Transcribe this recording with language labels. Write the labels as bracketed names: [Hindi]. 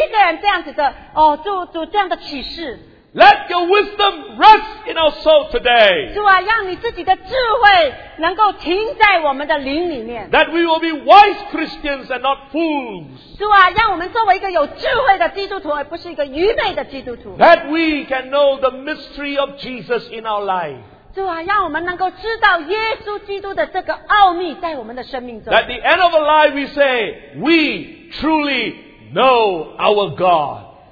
[Chinese] 主啊，亲爱的主啊，现在就给我们这样子，每一个人这样子的，主这样的启示。 [English] Let your wisdom rest in our soul today. [Chinese] 主啊, 让你自己的智慧能够停在我们的灵里面。 [English] That we will be wise Christians and not fools. [Chinese] 主啊, 让我们作为一个有智慧的基督徒，而不是一个愚昧的基督徒。 [English] That we can know the mystery of Jesus in our life. [Chinese] 主啊, 让我们能够知道耶稣基督的这个奥秘在我们的生命中。 [English] At the end of our life we say, we truly know our God.